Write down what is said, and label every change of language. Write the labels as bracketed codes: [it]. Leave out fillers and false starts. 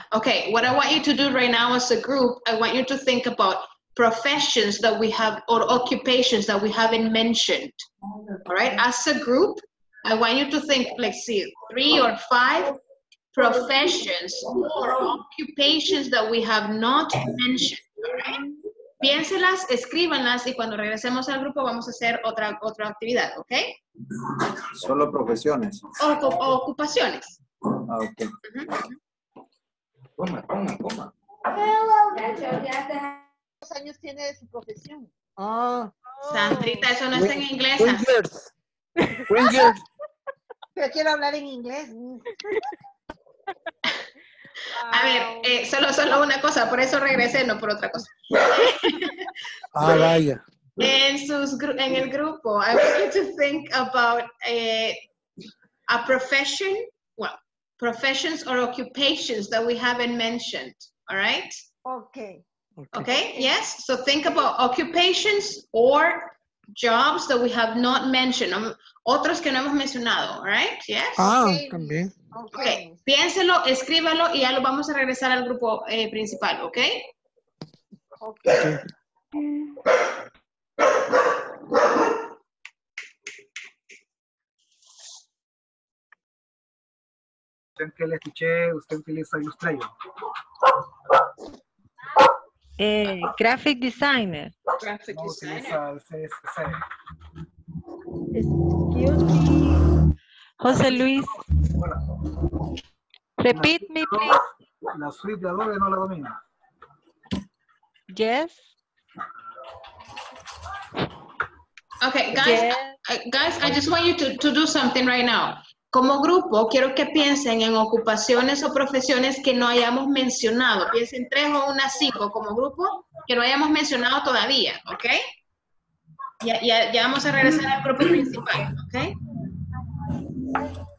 [en] Okay, what I want you to do right now as a group, I want you to think about professions that we have or occupations that we haven't mentioned. All right, as a group, I want you to think, let's see, three or five professions or occupations that we have not mentioned. All right? [es] Piénselas, escríbanlas y cuando regresemos al grupo vamos a hacer otra actividad, ¿ok? Solo profesiones. O ocupaciones. Ah, ok. ¿Cuántos años tiene de su profesión? Ah. Sandrita, eso no está en inglesa. Wingers. Pero quiero hablar en inglés. A ver, solo una cosa, por eso regresé, no por otra cosa. Ah, vaya. En el grupo, [en] I want you to think about a profession, professions or occupations that we haven't mentioned, all right? Okay. Okay, yes. So think about occupations or jobs that we have not mentioned. [es] Otros que no hemos mencionado, right? Yes? Ah, también. [en] Okay. [es] Piénselo, escríbalo y ya lo vamos a regresar al grupo principal, okay? [en] Okay. [es] ¿Usted que le escuché? ¿Usted utiliza Illustrator? [en] Graphic designer. Graphic designer. José Luis. [es] Hola. [en] Repeat me, please. [es] La suite de Adobe no la domina. [en] Yes. Okay, guys, yes. Guys, I just want you to do something right now. [es] Como grupo, quiero que piensen en ocupaciones o profesiones que no hayamos mencionado. Piensen tres o unas cinco como grupo que no hayamos mencionado todavía, ¿ok? Ya vamos a regresar al grupo principal, ¿ok?